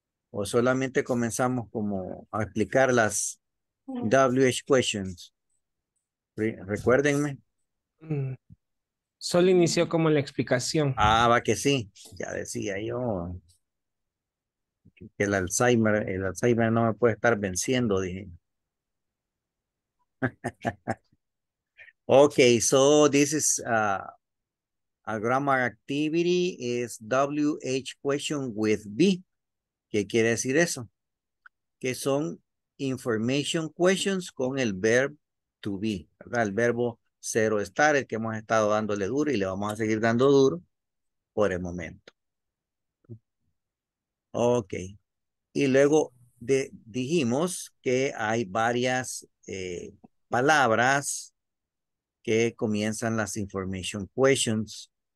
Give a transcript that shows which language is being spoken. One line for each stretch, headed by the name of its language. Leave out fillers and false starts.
Spanish: O solamente comenzamos como a explicar las WH questions. Recuérdenme. Solo inició como la explicación. Ah, va que sí, ya decía yo. El Alzheimer no me puede estar venciendo, dije.
English: Okay, so this is a grammar activity is WH question with be.
Spanish: ¿Qué quiere decir eso? Que son information questions con el verb to be, ¿verdad? El verbo ser o estar, el que hemos estado dándole duro y le vamos a seguir dando duro por el momento. Ok. Y luego dijimos que hay varias palabras que comienzan las information questions.